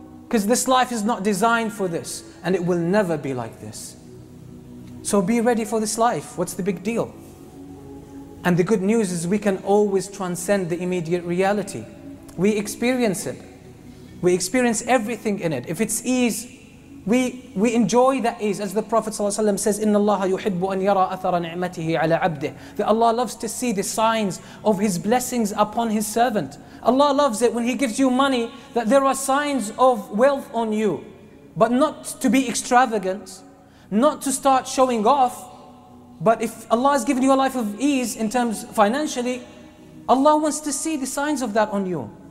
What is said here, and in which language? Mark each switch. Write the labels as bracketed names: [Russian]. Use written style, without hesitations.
[English] Because this life is not designed for this. And it will never be like this. So be ready for this life. What's the big deal? And the good news is we can always transcend the immediate reality. We experience it. We experience everything in it. If it's ease, we enjoy that ease. As the Prophet ﷺ says, [Arabic] إِنَّ اللَّهَ يُحِبُّ أَنْ يَرَى أَثَرَ نِعْمَتِهِ عَلَىٰ عَبْدِهِ. [English] That Allah loves to see the signs of His blessings upon His servant. Allah loves it when He gives you money, that there are signs of wealth on you. But not to be extravagant, not to start showing off. But if Allah has given you a life of ease in terms financially, Allah wants to see the signs of that on you.